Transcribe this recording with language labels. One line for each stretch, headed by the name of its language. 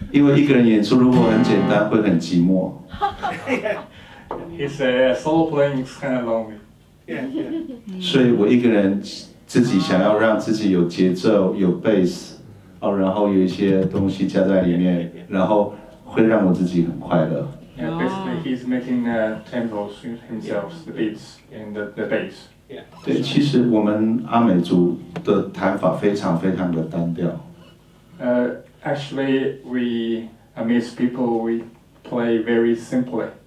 Chinese: 因为一个人演出如果很简单，会很寂寞。
English: He said solo playing is kind of lonely. Yeah.
Chinese: 所以我一个人自己想要让自己有节奏、有 bass， 然后有一些东西加在里面，然后。会让我自己很快乐。
English: Yeah, basically, he's making tempos himself, the beats and the bass.
Chinese: 对，其实我们阿美族的弹法非常非常的单调。
English: Actually, we Amis people, we play very simply.